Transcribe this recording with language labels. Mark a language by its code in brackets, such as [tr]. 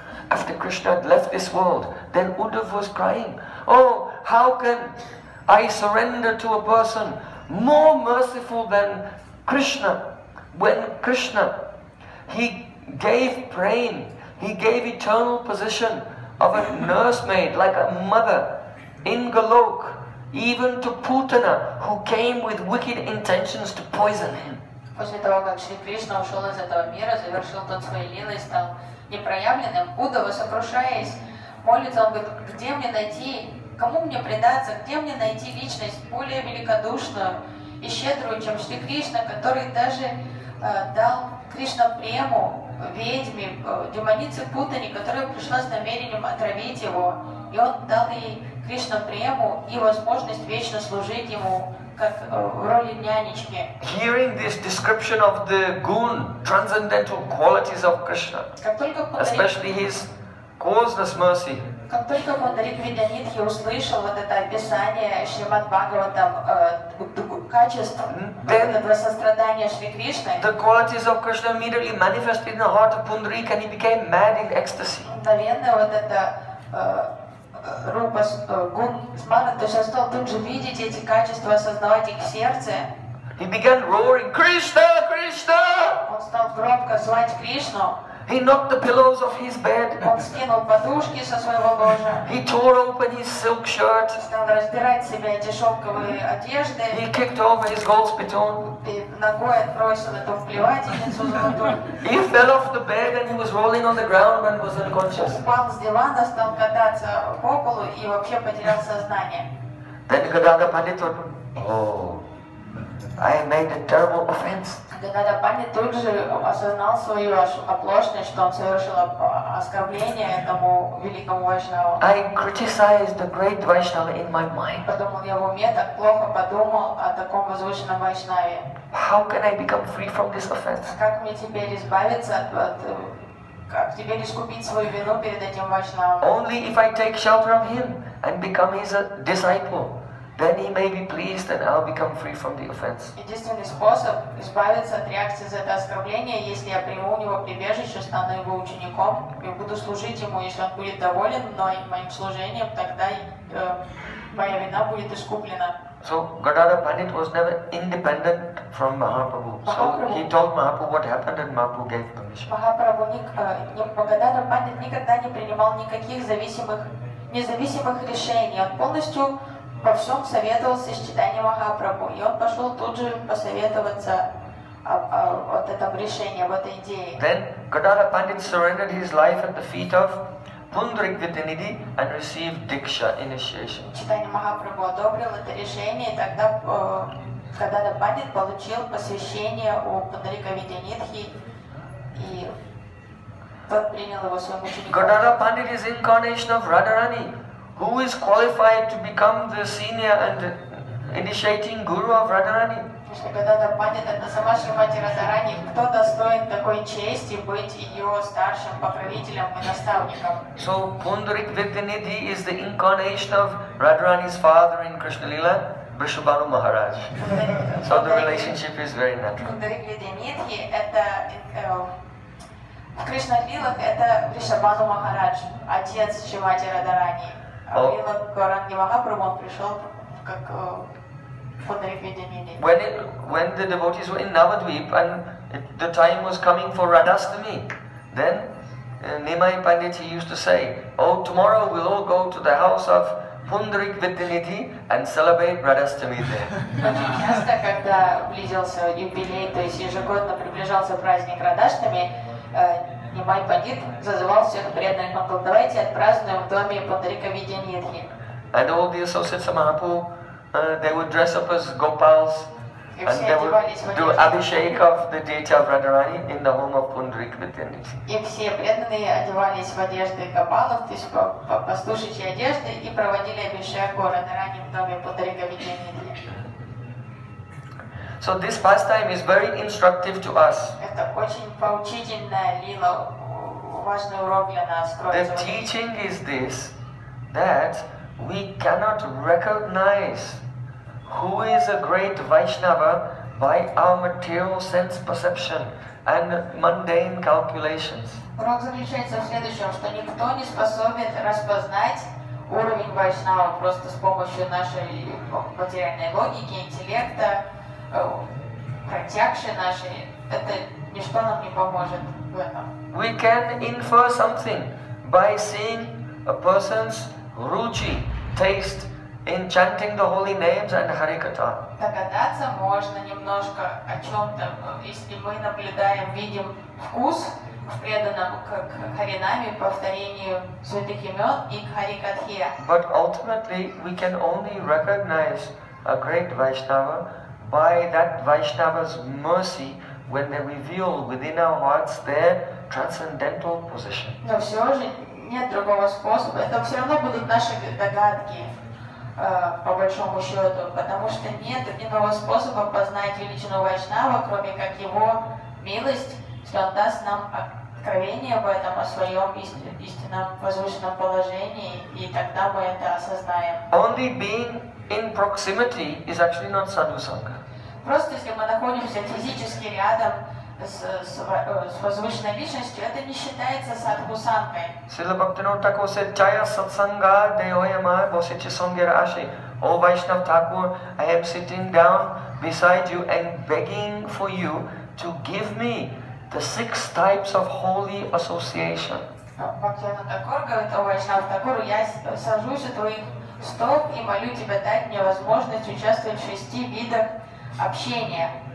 [en] After Krishna had left this world, then Uddhava was crying, oh, how can I surrender to a person more merciful than Krishna? When Krishna, he gave praying, he gave eternal position of a nursemaid like a mother in Galok, even to Putana, who came with wicked intentions to poison him. [ru] После того, как Шри Кришна ушел из этого мира, завершил тот свои лилы и стал непроявленным, Удава, сокрушаясь, молится, он говорит, где мне найти, кому мне предаться, где мне найти личность более великодушную и щедрую, чем Шри Кришна, который даже дал Кришна прему ведьме, демонице Путани, которая пришла с намерением отравить его, и он дал ей Кришна прему и возможность вечно служить ему, как в роли нянечки. [en] Hearing this description of the gun, transcendental qualities of Krishna, especially his causeless mercy. [ru] Как только Пундарик Видьянидхи услышал вот это описание Шримад Бхагаватам качества, этого сострадания Шри Кришны, [en] the qualities of Krishna immediately manifested in the heart of Pundarik and he became mad in ecstasy. [ru] Мгновенно вот это рупа гун смана, то есть он стал тут же видеть эти качества, осознавать их в сердце. [en] He began roaring, Krishna, Krishna! [ru] Он стал громко звать Кришну. [en] He knocked the pillows off his bed. [ru] Он скинул подушки со своего ложа. [en] He tore open his silk shirt. [ru] Стал разбирать себе эти шелковые одежды. [en] He kicked over his gold spittoon. [ru] И ногой отбросил эту плевательницу золотую. [en] He fell off the bed and he was rolling on the ground and was unconscious. [ru] Упал с дивана, стал кататься по полу и вообще потерял сознание. [en] Then Gadadhar Pandit thought, oh, I made a terrible offense. [ru] Гададхар Пандит тут же осознал свою оплошность, что он совершил оскорбление этому великому вайшнаву. [en] I criticized the great Vaishnava in my mind. [ru] Подумал я в уме, так плохо подумал о таком возвышенном вайшнаве. [en] How can I become free from this offense? [ru] Как мне теперь избавиться от, как теперь искупить свою вину перед этим вайшнавом? [en] Only if I take shelter of him and become his disciple. Then he may be pleased and I'll become free from the offense. [ru] Единственный способ избавиться от реакции за это оскорбление, если я приму у него прибежище, стану его учеником и буду служить ему, если он будет доволен моим служением, тогда моя вина будет искуплена. [en] So Gadadhar Pandit was never independent from Mahaprabhu. So he told Mahaprabhu what happened and Mahaprabhu gave permission. [ru] Mahaprabhu Gadadhar Pandit никогда не принимал никаких независимых решений. Он полностью во всем советовался с читанием Махапрабху. И он пошел тут же посоветоваться вот этом решении, вот этой идее. [en] Then Gadadhar Pandit surrendered his life at the feet of Пундрик Витиниди and received Диксха, initiation. [ru] Читание Махапрабху одобрил это решение, и тогда Gadadhar Pandit получил посвящение у Пундрика Витинидхи и тот принял его своим учеником. [en] Gadadhar Pandit is incarnation of Radharani, who is qualified to become the senior and initiating guru of Radharani. [ru] Gadadhar Pandit – это сама Шримати Радхарани. Кто достоин такой чести быть ее старшим покровителем и наставником? [en] So Pundarik Vidyanidhi is the incarnation of Radharani's father in Krishna Lila, Vrishabhanu Maharaj. So the relationship is very natural. [ru] Pundarik Vidyanidhi – это в Кришна Лилах – это Вришабану Махарадж, отец Шримати Радхарани. А в Лилах Гауранги Махапрабху он пришел как [en] When the devotees were in Navadvip and the time was coming for Radhastami, then Nimai Pandit used to say, "Oh, tomorrow we'll all go to the house of Pundarik Vidyanidhi and celebrate Radhastami there." [ru] Часто, когда близился юбилей, то есть ежегодно приближался праздник Радхастами, Нимай Пандит зазывал всех преданных, он говорил, "Давайте отпразднуем в доме Пундарика Видянидхи." [en] And all the associates of Mahapu. They would dress up as Gopals and they would do Abhishek of the deity of Radharani in the home of Pundarik Vidyanidhi. [ru] И все преданные одевались в одежды Гопалов, то есть пастушечьи одежды, и проводили Абхишек у Радхарани в доме Пундарика Видьянидхи. [en] So this pastime is very instructive to us. [ru] Это очень поучительная лила, важный урок для нас. [en] The teaching is this, that we cannot recognize who is a great Vaishnava by our material sense perception and mundane calculations. [ru] Урок заключается в следующем, что никто не способен распознать уровень Вайшнава просто с помощью нашей материальной логики, интеллекта, протягши нашей. Это ничто нам не поможет в этом. [en] We can infer something by seeing a person's ruchi, taste in chanting the holy names and Harikatha. [ru] Догадаться можно немножко о чем-то, если мы наблюдаем, видим вкус в преданном к харинаме, повторению святых имен и к Харикатхе. [en] But ultimately we can only recognize a great Vaishnava by that Vaishnava's mercy when they reveal within our hearts their transcendental position. [ru] Но все же нет другого способа. Это все равно будут наши догадки, по большому счету, потому что нет иного способа познать величину Вайшнава, кроме как его милость, что он даст нам откровение об этом, о своем истинном возвышенном положении, и тогда мы это осознаем. [en] Only being in proximity is actually not sadhu sangha. [ru] Просто если мы находимся физически рядом с возвышенной личностью, это не считается садху-сангой. [bn] Сила Бхактинур Такур [en] said, [bn] Чая сатсанга деоема босичи сонгер аши. [en] О Вайшнав Такур, I am sitting down beside you and begging for you to give me the six types of holy association. [ru] Бхактинур Такур говорит, о Вайшнав Такур, я сажусь у твоих стоп и молю тебя дать мне возможность участвовать в шести видах общения.